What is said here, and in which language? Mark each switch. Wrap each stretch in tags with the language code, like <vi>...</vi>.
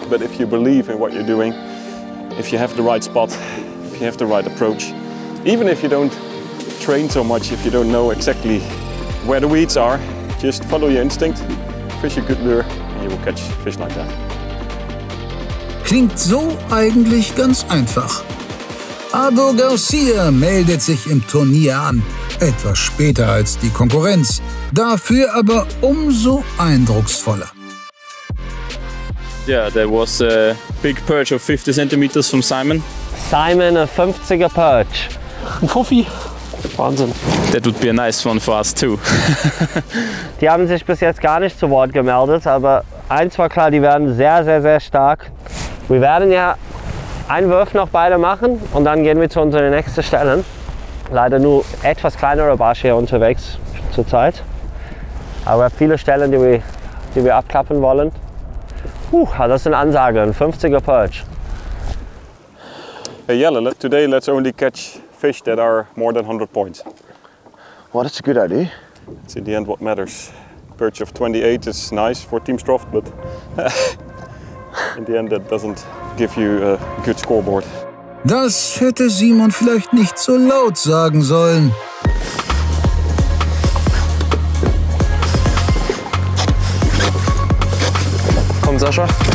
<en>But if you believe in what you're doing, if you have the right spot, if you have the right approach, even if you don't train so much, if you don't know exactly where the weeds are, Just follow your instinct, fish a good lure, and you will catch fish like that.</en> <de>Klingt so eigentlich ganz einfach. Abu Garcia meldet sich im Turnier an, etwas später als die Konkurrenz, dafür aber umso eindrucksvoller.</de> <en>Yeah, there was a big perch of 50 centimeters from Simon. Simon, a 50er perch.</en> <de>Ein Fuffi. Wahnsinn.</de> <en>That would be a nice one for us too.</en> <de>Die haben sich bis jetzt gar nicht zu Wort gemeldet, aber eins war klar, die werden sehr, sehr, sehr stark. Wir werden ja einen Wurf noch beide machen und dann gehen wir zu unseren nächsten Stellen. Leider nur etwas kleinere Barsche unterwegs zurzeit. Aber wir haben viele Stellen, die wir abklappen wollen. Puh, das ist eine Ansage, ein 50er Perch.</de> <en>Hey Jelle, today let's only catch fish that are more than 100 points. Well, that's a good idea. It's in the end what matters. Perch of 28 is nice for Team Stroft, but in the end that doesn't give you a good scoreboard.</en> <de>Das hätte Simon vielleicht nicht so laut sagen sollen. Komm, Sascha.</de>